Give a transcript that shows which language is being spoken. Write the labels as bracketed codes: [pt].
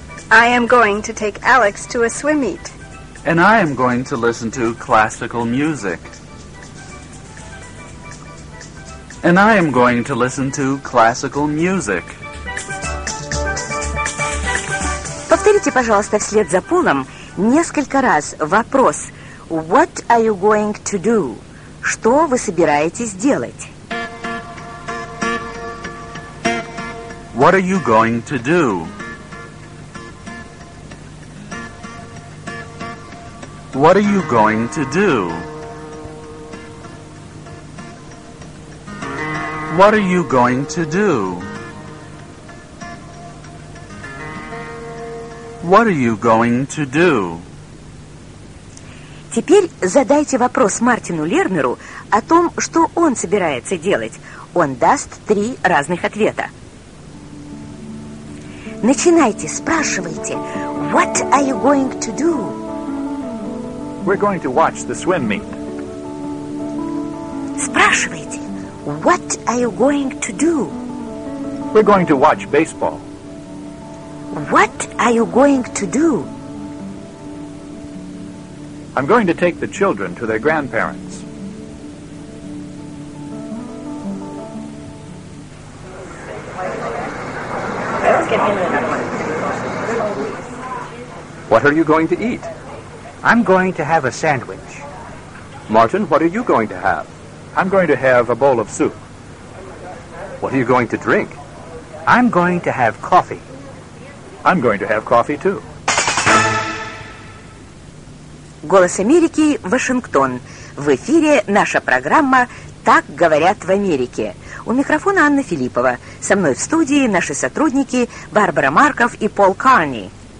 [en] I am going to take Alex to a swim meet. And I am going to listen to classical music. And I am going to listen to classical music. [ru] Повторите, пожалуйста, вслед за Полом несколько раз вопрос. [en] What are you going to do? [ru] Что вы собираетесь делать? [en] What are you going to do? What are you going to do? What are you going to do? What are you going to do? [ru] Теперь задайте вопрос Мартину Лернеру о том, что он собирается делать. Он даст три разных ответа. Начинайте, спрашивайте. [en] What are you going to do? We're going to watch the swim meet. Спрашивайте. What are you going to do? We're going to watch baseball. What are you going to do? I'm going to take the children to their grandparents. What are you going to eat? I'm going to have a sandwich. Martin, what are you going to have? I'm going to have a bowl of soup. What are you going to drink? I'm going to have coffee. I'm going to have coffee too. [ru] Голос Америки, Вашингтон. В эфире наша программа «Так говорят в Америке». У микрофона Анна Филиппова. Со мной в студии наши сотрудники Барбара Марков и Пол Карни.